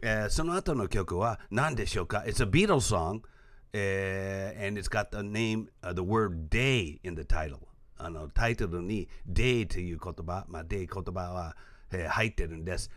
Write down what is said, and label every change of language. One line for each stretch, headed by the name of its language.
Japanese: その後の曲は何でしょうか?
English: It's a Beatles song, and it's got the name, the word day in the title.
Japanese: あの、タイトルに day という言葉、まあ、day 言葉は、入ってるんです。